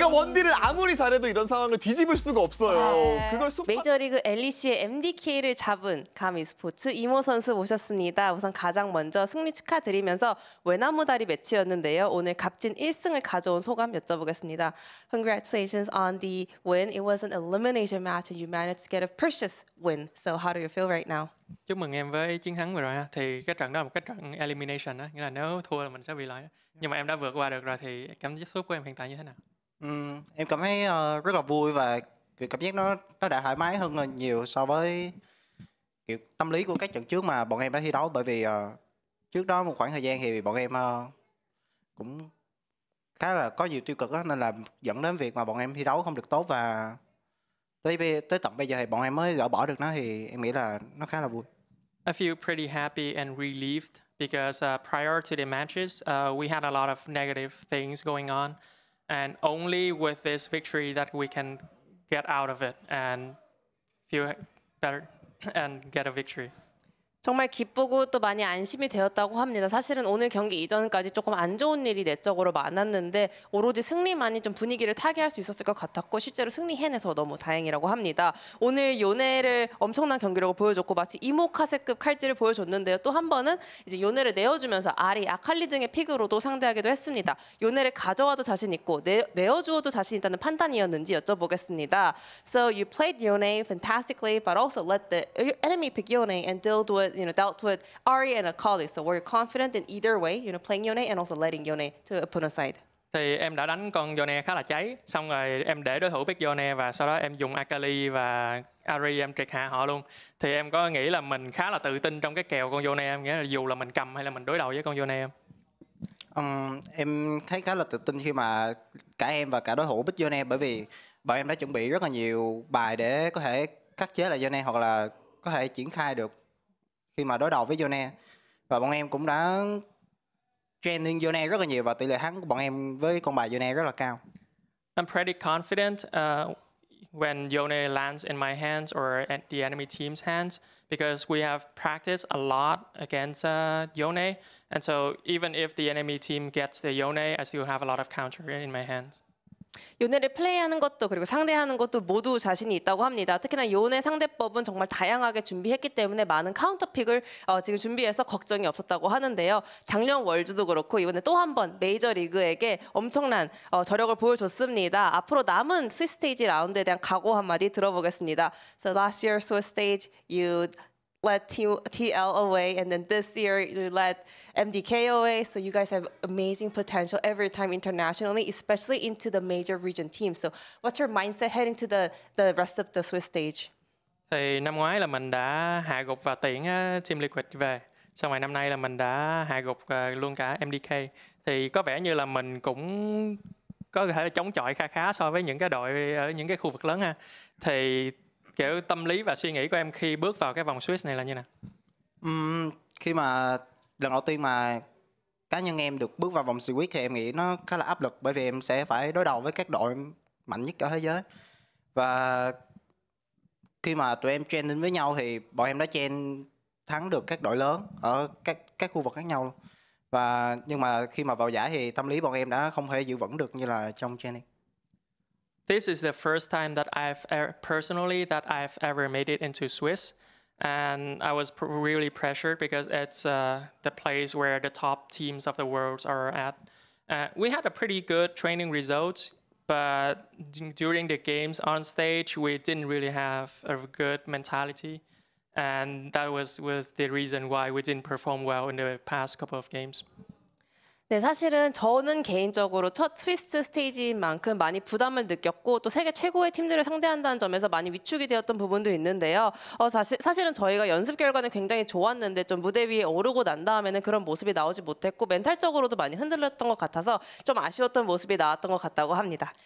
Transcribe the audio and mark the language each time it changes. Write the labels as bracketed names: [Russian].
[Korean] 이거 원딜을 아무리 잘해도 이런 상황을 뒤집을 수가 없어요. 그걸 슈파... 메이저리그 엘리시의 MDK를 잡은 가미스포츠 이모 선수 모셨습니다. 우선 가장 먼저 승리 축하드리면서 외나무다리 매치였는데요. 오늘 값진 1승을 가져온 소감 여쭤보겠습니다. [English] Congratulations on the win. It was an elimination match and you managed to get a precious win. So how do you feel right now? [Vietnamese] Chúc mừng em với chiến thắng vừa rồi ha. Thì cái trận đó là một cái trận elimination đó, nghĩa là nếu thua là mình sẽ bị loại. Nhưng mà em đã vượt qua được rồi thì cảm xúc của em hiện tại như thế nào? Em cảm thấy rất là vui và kiểu cảm giác nó đã thoải mái hơn nhiều so với kiểu tâm lý của các trận trước mà bọn em đã thi đấu. Bởi vì trước đó một khoảng thời gian thì bọn em cũng khá là có nhiều tiêu cực đó, nên là dẫn đến việc mà bọn em thi đấu không được tốt và tới tận bây giờ thì bọn em mới gỡ bỏ được nó thì em nghĩ là nó khá là vui. [English] I feel pretty happy and relieved because prior to the matches, we had a lot of negative things going on, and only with this victory that we can get out of it and feel better and get a victory. [Korean] 정말 기쁘고 또 많이 안심이 되었다고 합니다. 사실은 오늘 경기 이전까지 조금 안 좋은 일이 내적으로 많았는데 오로지 승리만이 좀 분위기를 타개할 수 있었을 것 같았고 실제로 승리해내서 너무 다행이라고 합니다. 오늘 요네를 엄청난 경기력을 보여줬고 마치 이모카세급 칼질을 보여줬는데요. 또 한 번은 이제 요네를 내어주면서 아리, 아칼리 등의 픽으로도 상대하기도 했습니다. 요네를 가져와도 자신 있고 내어주어도 자신 있다는 판단이었는지 여쭤보겠습니다. [English] So you played Yone fantastically but also let the enemy pick Yone and dealt with you know, dealt with Ari and Akali. So were you confident in either way, you know, playing Yone and also letting Yone to put aside? [Korean] 네, 엠 [Vietnamese] đã đánh con Yone khá là cháy. Xong rồi em để đối thủ pick Yone và sau đó em dùng Akali và Ari em triệt hạ họ luôn. Thì em có nghĩ là mình khá là tự tin trong cái kèo con Yone, em nghĩ là dù là mình cầm hay là mình đối đầu với con Yone em. Em thấy khá là tự tin khi mà cả em và cả đối thủ pick Yone bởi vì bọn em đã chuẩn bị rất là nhiều bài để có thể khắc chế lại Yone hoặc là có thể triển khai được khi mà đối đầu với Yone. Và bọn em cũng đã training Yone rất là nhiều và tỷ lệ thắng của bọn em với con bài Yone rất là cao. [English] I'm pretty confident when Yone lands in my hands or at the enemy team's hands because we have practiced a lot against Yone and so even if the enemy team gets the Yone I still have a lot of counter in my hands. [Korean] 요네를 플레이하는 것도 그리고 상대하는 것도 모두 자신이 있다고 합니다. 특히나 요네 상대법은 정말 다양하게 준비했기 때문에 많은 카운터픽을 지금 준비해서 걱정이 없었다고 하는데요. 작년 월즈도 그렇고 이번에 또 한 번 메이저리그에게 엄청난 저력을 보여줬습니다. 앞으로 남은 스위스 스테이지 라운드에 대한 각오 한마디 들어보겠습니다. [English] So last year Swiss stage you let TL away and then this year you let MDK away. So you guys have amazing potential every time internationally, especially into the major region team. So what's your mindset heading to the rest of the Swiss stage? [Vietnamese] Thì năm ngoái là mình đã hạ gục và tiễn Team Liquid về. Xong rồi năm nay là mình đã hạ gục luôn cả MDK. Thì có vẻ như là mình cũng có thể là chống chọi khá khá so với những cái đội ở những cái khu vực lớn ha. Thì kiểu tâm lý và suy nghĩ của em khi bước vào cái vòng Swiss này là như nào? Khi mà lần đầu tiên mà cá nhân em được bước vào vòng Swiss thì em nghĩ nó khá là áp lực, bởi vì em sẽ phải đối đầu với các đội mạnh nhất cả thế giới. Và khi mà tụi em training với nhau thì bọn em đã chen thắng được các đội lớn ở các khu vực khác nhau. Và nhưng mà khi mà vào giải thì tâm lý bọn em đã không thể giữ vững được như là trong training. [English] This is the first time that I've personally that I've ever made it into Swiss, and I was really pressured because it's the place where the top teams of the world are at. We had a pretty good training result, but during the games on stage, we didn't really have a good mentality, and that was the reason why we didn't perform well in the past couple of games. [Korean] 네, 사실은 저는 개인적으로 첫 스위스 스테이지인 만큼 많이 부담을 느꼈고 또 세계 최고의 팀들을 상대한다는 점에서 많이 위축이 되었던 부분도 있는데요. 사실은 저희가 연습 결과는 굉장히 좋았는데 좀 무대 위에 오르고 난 다음에는 그런 모습이 나오지 못했고 멘탈적으로도 많이 흔들렸던 것 같아서 좀 아쉬웠던 모습이 나왔던 것 같다고 합니다.